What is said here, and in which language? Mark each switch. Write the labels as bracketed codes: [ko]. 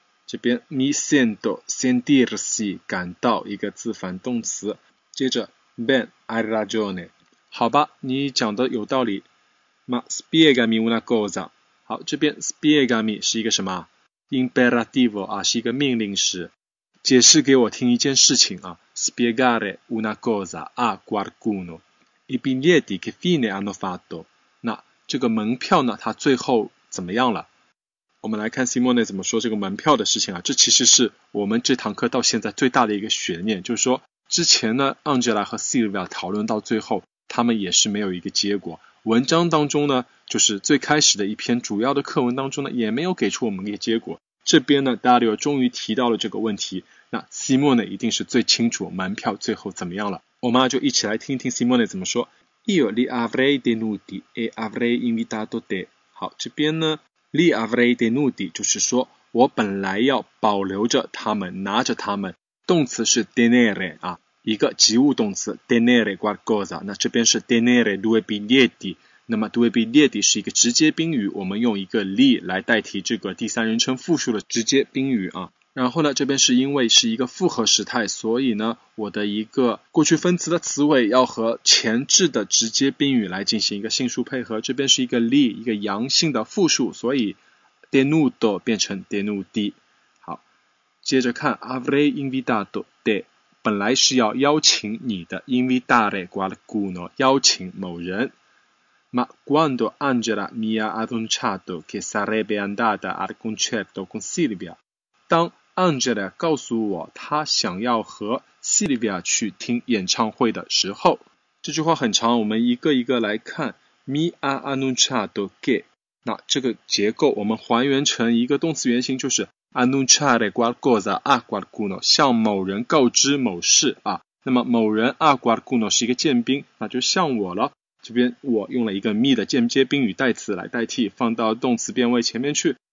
[zh] 这边 [it] mi sento [zh] sentirsi 感到一个自反动词，接着 [it] ben hai ragione， [zh] 好吧，你讲的有道理。 [it] Ma spiegami una cosa， [zh] 好，这边 spiegami 是一个什么 imperativo 啊，是一个命令式。解释给我听一件事情啊 ， [it] spiegare una cosa a qualcuno. I biglietti che fine hanno fatto? [zh] 那这个门票呢？它最后怎么样了？我们来看 Simone 怎么说这个门票的事情啊。这其实是我们这堂课到现在最大的一个悬念，就是说之前呢 ，Angela 和 Silvia 讨论到最后，他们也是没有一个结果。文章当中呢，就是最开始的一篇主要的课文当中呢，也没有给出我们一个结果。这边呢 ，Dario 终于提到了这个问题。那 Simone 一定是最清楚门票最后怎么样了。我们就一起来听听 Simone 怎么说。 [it] Io li avrei tenuti e avrei invitato te。 [zh] 好，这边呢 ， [it] li avrei tenuti [zh] 就是说我本来要保留着他们，拿着他们。动词是 tenere 啊，一个及物动词 [it] tenere qualcosa。 [zh] 那这边是 [it] tenere due biglietti。 [zh] 那么 [it] due biglietti [zh] 是一个直接宾语，我们用一个 li 来代替这个第三人称复数的直接宾语啊。然后呢，这边是因为是一个复合时态，所以呢，我的一个过去分词的词尾要和前置的直接宾语来进行一个性数配合。这边是一个 li， 一个阳性的复数，所以 denudo 变成 denudi。好，接着看 [it] avrei invitato te， [zh] 本来是要邀请你的 ， [it] invitare qualcuno [zh] 邀请某人。 [it] Ma quando Angela mi ha annunciato che sarebbe andata al concerto con Silvia， [zh] 当 Angela 告诉我她想要和 Silvia 去听演唱会的时候，这句话很长，我们一个一个来看。 [it] mi ha annunciato che， [zh] 那这个结构我们还原成一个动词原形，就是 [it] annunciare qualcosa a qualcuno， [zh] 向某人告知某事啊。那么某人 [it] a qualcuno [zh] 是一个见宾，那就像我了。这边我用了一个 me 的间接宾语代词来代替，放到动词变位前面去。